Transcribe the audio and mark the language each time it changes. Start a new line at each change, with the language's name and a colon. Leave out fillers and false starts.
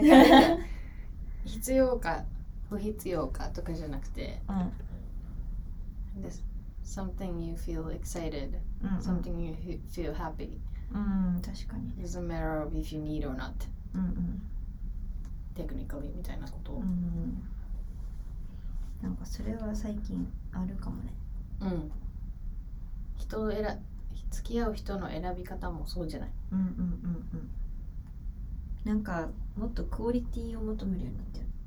Japanese: から必要か不必要かとかじゃなくて、うん、
English: this, something you feel excited,、うんうん、something you feel happy.
Japanese: うん、確かに。
English: It doesn't matter if you need or not.、うんうん、
Japanese: technically, みたいなこと、うん。なんかそれは最近あるかもね。うん。人を選ぶ。付き合う人の選び方もそうじゃない。うんうんうんうん。なんかもっとクオリティを求めるようになってる。